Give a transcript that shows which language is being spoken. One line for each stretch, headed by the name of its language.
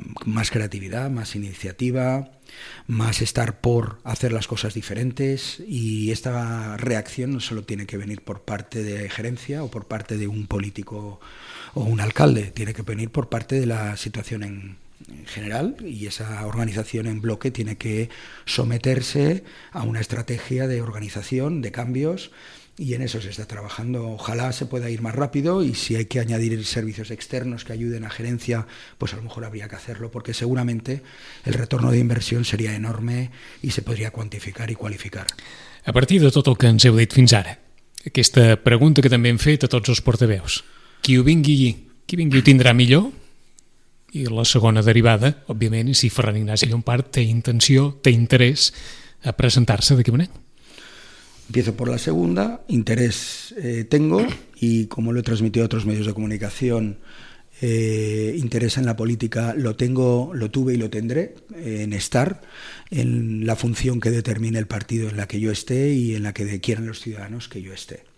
Spanish: Más creatividad, más iniciativa, más estar por hacer las cosas diferentes, y esta reacción no solo tiene que venir por parte de gerencia o por parte de un político o un alcalde, tiene que venir por parte de la situación en general, y esa organización en bloque tiene que someterse a una estrategia de organización, de cambios. Y en eso se está trabajando. Ojalá se pueda ir más rápido, y si hay que añadir servicios externos que ayuden a gerencia, pues a lo mejor habría que hacerlo, porque seguramente el retorno de inversión sería enorme y se podría cuantificar y cualificar.
Catalan: A partir de tot el que ens heu dit fins ara, aquesta pregunta que també hem fet a tots els portaveus, qui vingui ho tindrà millor? I la segona derivada, òbviament, si Ferran Ignasi Llompart té intenció, té interès a presentar-se d'aquí a un any.
Spanish: Empiezo por la segunda. Interés tengo, y como lo he transmitido a otros medios de comunicación, interés en la política lo tengo, lo tuve y lo tendré, en estar en la función que determine el partido en la que yo esté y en la que quieran los ciudadanos que yo esté.